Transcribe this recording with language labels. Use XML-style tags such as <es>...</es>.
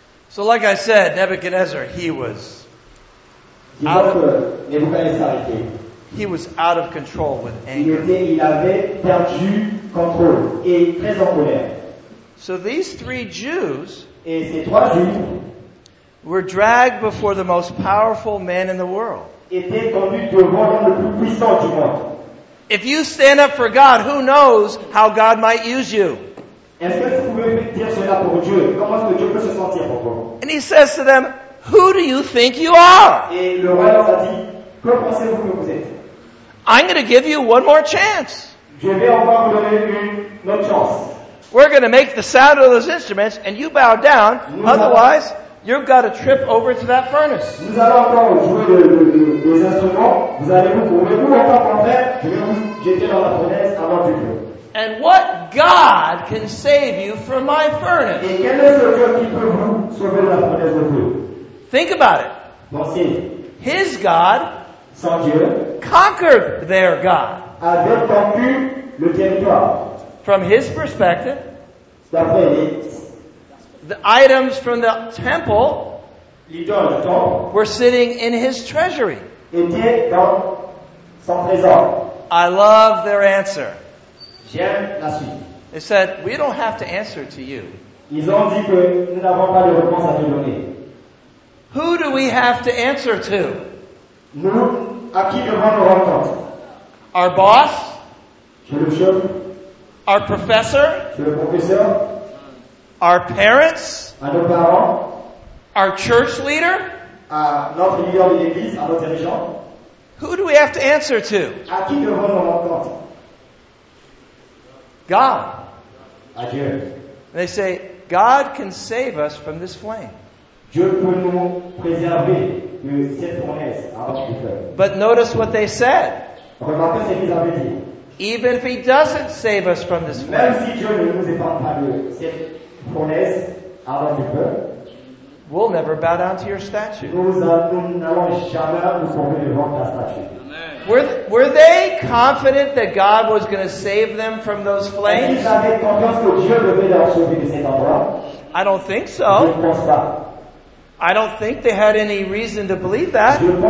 <en>So like I said, Nebuchadnezzar, he was out of control with anger.</en> <fr>Il avait perdu contrôle et très en colère.</fr> <en>So these three Jews</en> <fr>et ces trois Juifs</fr> <en>were dragged before the most powerful man in the world.</en> <fr>Étaient conduits devant l'homme le plus puissant du monde.</fr> <en>If you stand up for God, who knows how God might use you?</en> <fr>Est-ce que vous pouvez dire cela pour Dieu? Comment est-ce que Dieu peut se sentir pour vous?</fr> <en>And he says to them, who do you think you are?</en> <fr>Et le roi leur a dit, que pensez-vous que vous êtes?</fr> <en>I'm going to give you one more chance.</en> <fr>Je vais encore vous donner une autre chance.</fr> <en>We're going to make the sound of those instruments and you bow down. Nous otherwise, allons, you've got to trip over to that furnace.</en> <fr>Nous allons encore jouer des instruments. Vous allez vous trouver vous en tant qu'enfer. Je vais vous jeter dans la fournaise avant de vous.</fr> <en>And what God can save you from my furnace?</en> <fr>Et quel est le Dieu qui peut vous sauver de la fournaise de feu?</fr> <en>Think about it.</en> <fr>Pensez.</fr> <en>His God,</en> <fr>son Dieu,</fr> <en>conquered their God.</en> <fr>Avait conquis le territoire.</fr> <en>From his perspective,</en> <fr>d'après lui,</fr> <en>the items from the temple,</en> <fr>l'idole du temple,</fr> <en>were sitting in his treasury.</en> <fr>Étaient dans son trésor.</fr> <en>I love their answer.</en> <fr>J'aime la suite.</fr> <en>They said, we don't have to answer to you.</en> <fr>Ils ont dit que nous n'avons pas de réponse à te donner.</fr> <en>Who do we have to answer to?</en> <fr>Nous, à qui devons nous rendre compte?</fr> <en>Our boss?</en> <fr>Je le chef.</fr> <en>Our professor?</en> <fr>Je le professeur.</fr> <en>Our parents?</en> <fr>À nos parents.</fr> <en>Our church leader?</en> <fr>À notre leader de l'église, à notre région.</fr> <en>Who do we have to answer to?</en> <fr>À qui devons nous rendre compte?</fr> <en>God.</en> <fr>Adieu.</fr> <en>And they say, God can save us from this flame.</en> <fr>Dieu peut nous préserver de cette fournaise avant du feu.</fr> <en>But notice what they said.</en> <fr>Remarquez ce qu'ils avaient dit.</fr> <en>Even if he doesn't save us from this flame.</en> <fr>Même si Dieu ne nous épargne pas de cette fournaise avant du feu.</fr> <en>We'll never bow down to your statue.</en> <fr>Nous n'allons jamais nous tomber devant ta statue.</fr> <en>Were they confident that God was going to save them from those flames? I don't think so. I don't think they had any reason to believe that.</en>